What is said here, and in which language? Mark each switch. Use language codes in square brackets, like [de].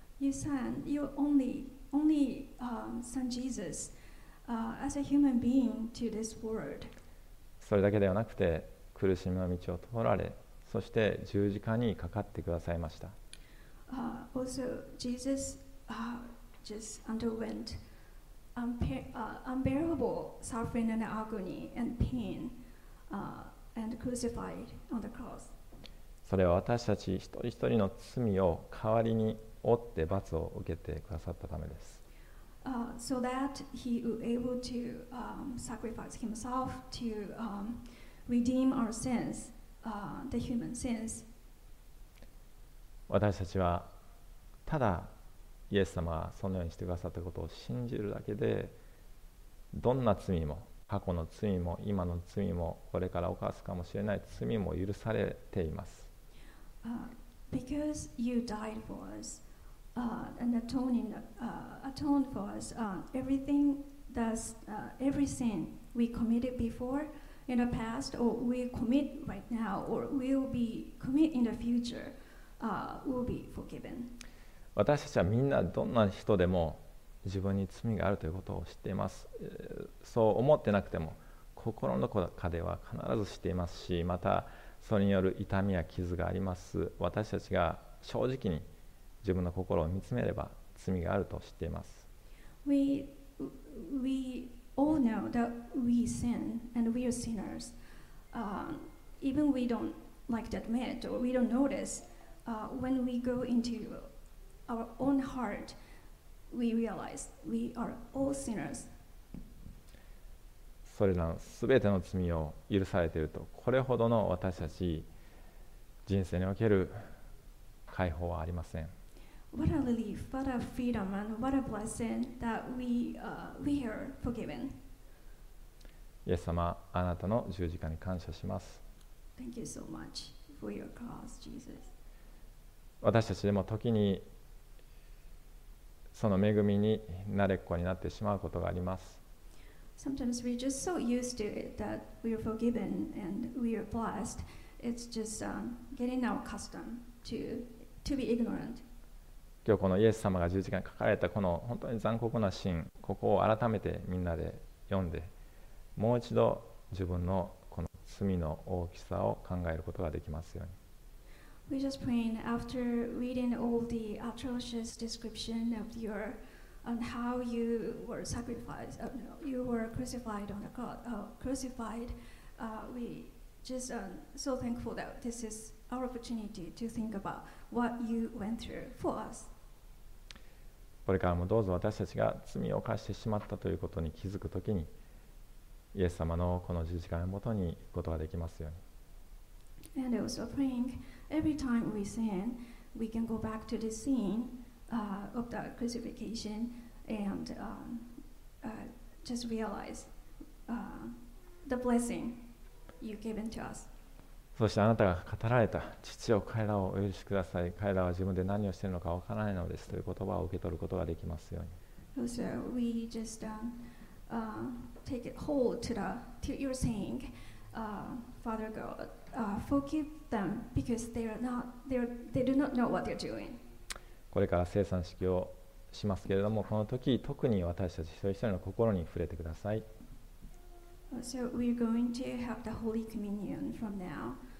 [en] You sent your only son Jesus, as a human being to this world. [ja] それだけではなくて苦しみの道を通られ、そして十字架にかかってくださいました。 [en] Also, Jesus just underwent unbearable suffering and agony and pain and crucified on the cross. [ja] それは私たち一人一人の罪を代わりに負って罰を受けてくださったためです。 [en] So that he would able to sacrifice himself to redeem our sins. The human sins. [ja] 私たちはただイエス様がそのようにしてくださったことを信じるだけで、どんな罪も、過去の罪も、今の罪も、これから犯すかもしれない罪も許されています。 [en] Because you died for us and atoned for us, everything that's every sin we committed beforeIn the past, or we commit right now, or will be commit in the future, will be forgiven. [ja] 私たちはみんなどんな人でも自分に罪があるということを知っています。そう思ってなくても心の中では必ず知っていますし、またそれによる痛みや傷があります。私たちが正直に自分の心を見つめれば罪があると知っています。 [en] We all know that we sin and we are sinners. Even we don't like to admit or we don't notice. When we go into our own heart, we realize we are all sinners. [ja] それらのすべての罪を許されていると、これほどの私たち人生における解放はありません。 [en] What a relief, what a freedom, and what a blessing that we are forgiven. [ja] イエス様、あなたの十字架に感謝します。 [en] Thank you so much for your cross, Jesus. [ja] 私たちでも時にその恵みに慣れっこになってしまうことがあります。 [en] Sometimes we're just so used to it that we are forgiven and we are blessed. It's just getting our custom to be ignorant. [ja] 今日このイエス様が十字架に書かれたこの本当に残酷なシーン、ここを改めてみんなで読んで、もう一度自分のこの罪の大きさを考えることができますように。 [en] We just praying after reading all the atrocious description of your and how you were sacrificed, you were crucified on the cross, crucified. We just so thankful that this is our opportunity to think about. What you went through for us. [ja] これからもどうぞ私たちが罪を犯してしまったということに気づくときに、イエス様のこの十字架のもとに行くことができますように。 [en] And also praying every time we sin, we can go back to the scene of the crucifixion and just realize the blessing you given to us. [ja] そしてあなたが語られた父よ彼らをお許しください彼らは自分で何をしているのかわからないのですという言葉を受け取ることができますように。 [en] So we just take it hold to your saying, Father God, forgive them because they do not know what they're doing. [ja] これから聖餐式をしますけれども、この時特に私たち一人一人の心に触れてください。 [en] So we're going to have the Holy Communion from now.